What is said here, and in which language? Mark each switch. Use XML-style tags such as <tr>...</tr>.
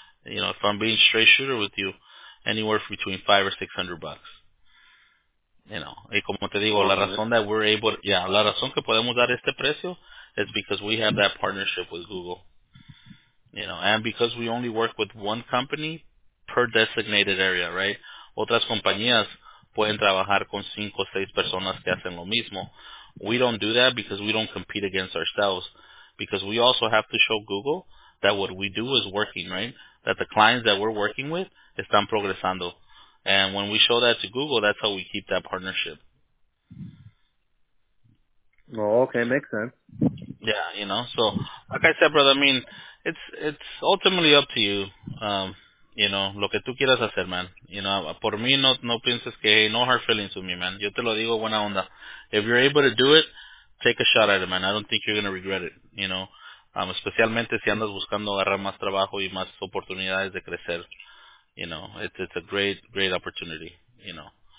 <en>You know, if I'm being straight shooter with you, anywhere between $500 or $600. You know,</en> <es>y como te digo, la razón</es> <en>that we're able, yeah,</en> <es>la razón que podemos dar este precio</es> <en>is because we have that partnership with Google. You know, and because we only work with one company per designated area, right?</en> <es>Otras compañías pueden trabajar con 5 or 6 personas que hacen lo mismo.</es> <en>We don't do that because we don't compete against ourselves. Because we also have to show Google that what we do is working, right? That the clients that we're working with</en> <es>están progresando.</es> <en>And when we show that to Google, that's how we keep that partnership. Oh, okay, makes sense. Yeah, you know, so like I said, brother, I mean, it's ultimately up to you. You know,</en> <es>lo que tú quieras hacer,</es> <en>man. You know,</en> <es>por mí, no pienses que,</es> <en>hey, no hard feelings with me, man.</en> <es>Yo te lo digo buena onda.</es> <en>If you're able to do it, take a shot at it, man. I don't think you're going to regret it, you know.</en> <es>Especialmente si andas buscando agarrar más trabajo y más oportunidades de crecer.</es> <en>You know, it's a great, great opportunity, you know.</en>